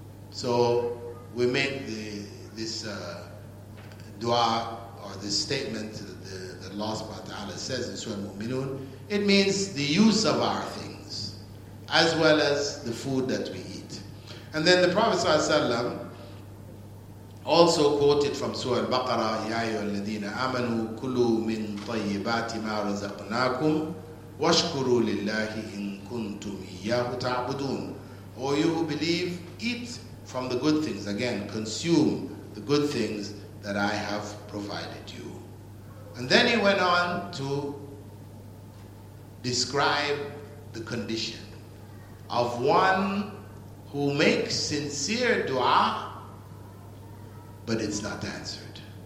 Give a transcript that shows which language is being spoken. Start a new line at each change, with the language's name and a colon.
English: So we make this dua or this statement that Allah subhanahu wa ta'ala says in Surah Al-Mu'minun. It means the use of our things as well as the food that we eat. And then the Prophet sallallahu alaihi wasallam Also quoted from Surah Al-Baqarah,
Arabic: يَا أَيُّهَا الَّذِينَ آمَنُوا كُلُوا مِنْ طَيِّبَاتِ مَا رَزَقْنَاكُمْ وَاشْكُرُوا لِلَّهِ إِن كُنْتُمْ إِيَّاهُ تَعْبُدُونَ.
English: Or you who believe, eat from the good things. Again, consume the good things that I have provided you. And then he went on to describe the condition of one who makes sincere dua, but it's not answered.